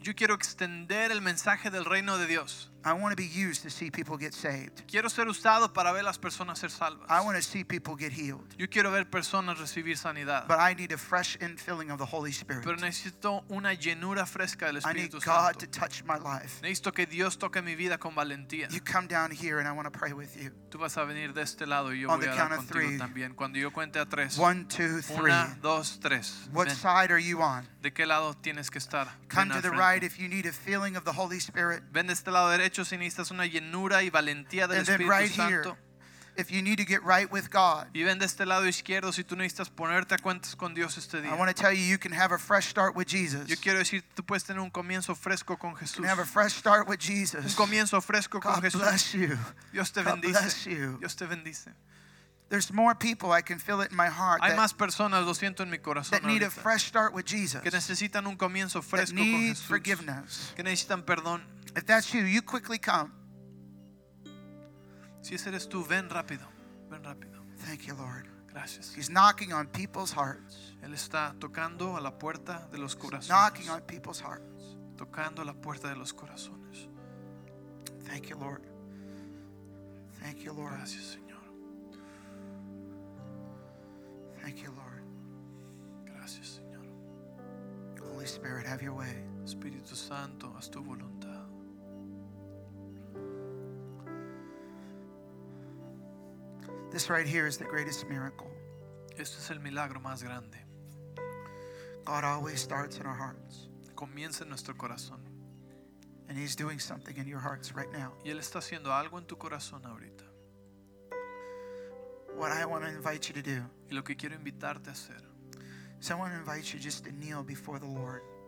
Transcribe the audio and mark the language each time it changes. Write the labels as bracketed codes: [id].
[es] Yo quiero extender el mensaje del reino de Dios. [en] I want to be used to see people get saved. [es] Quiero ser usado para ver las personas ser salvas. [en] I want to see people get healed. [es] Yo quiero ver personas recibir sanidad. [en] But I need a fresh infilling of the Holy Spirit. [es] Pero necesito una llenura fresca del Espíritu Santo. [en] I need God to touch my life. [es] Necesito que Dios toque mi vida con valentía. [en] You come down here and I want to pray with you. [es] Tú vas a venir de este lado y yo voy a orar contigo también. Cuando yo cuente a tres. [en] One, two, three. [es] Una, dos, tres. [en] What side are you on? [es] ¿De qué lado tienes que estar? [en] Come to the right if you need a filling of the Holy Spirit. [es] Ven de este lado derecho. derecho, si necesitas una llenura y valentía del Espíritu Santo. [en] If you need to get right with God, [es] y ven de este lado izquierdo si tú necesitas ponerte a cuentas con Dios este día. [en] I want to tell you, you can have a fresh start with Jesus. [es] Yo quiero decir, tú puedes tener un comienzo fresco con Jesús. [en] You can have a fresh start with Jesus. [es] Un comienzo fresco con Jesús. [en] God bless you. [es] Dios te bendice. [en] God bless you. [es] Dios te bendice. [en] There's more people, I can feel it in my heart. [es] Hay más personas, lo siento en mi corazón. [en] That need a fresh start with Jesus. [es] Que necesitan un comienzo fresco con Jesús. [en] That need forgiveness. [es] Que necesitan perdón. [en] If that's you, you quickly come. [es] Si ese eres tú, ven rápido. Ven rápido. [en] Thank you, Lord. [es] Gracias. [en] He's knocking on people's hearts. [es] Él está tocando a la puerta de los corazones. [en] He's knocking on people's hearts. [es] Tocando a la puerta de los corazones. [en] Thank you, Lord. Thank you, Lord. [es] Gracias, Señor. [en] Thank you, Lord. [es] Gracias, Señor. [en] Holy Spirit, have your way. [es] Espíritu Santo, haz tu voluntad. [en] This right here is the greatest miracle. [es] Este es el milagro más grande. [en] God always starts in our hearts. [es] Comienza en nuestro corazón. [en] And he's doing something in your hearts right now. [es] Y él está haciendo algo en tu corazón ahorita. [en] What I want to invite you to do. [es] Y lo que quiero invitarte a hacer. [en] So I want to invite you just to kneel before the Lord.